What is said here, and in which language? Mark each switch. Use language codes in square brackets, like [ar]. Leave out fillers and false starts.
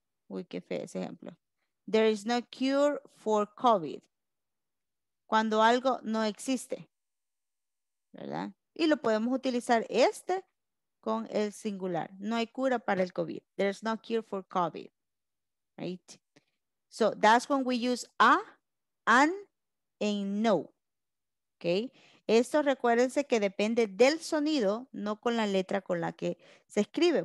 [es] Uy, qué fe ese ejemplo. [en] There is no cure for COVID. [es] Cuando algo no existe, ¿verdad? Y lo podemos utilizar este con el singular. No hay cura para el COVID. [en] There is no cure for COVID. Right? So that's when we use a, an, and no. Okay? [es] Esto recuérdense que depende del sonido, no con la letra con la que se escribe.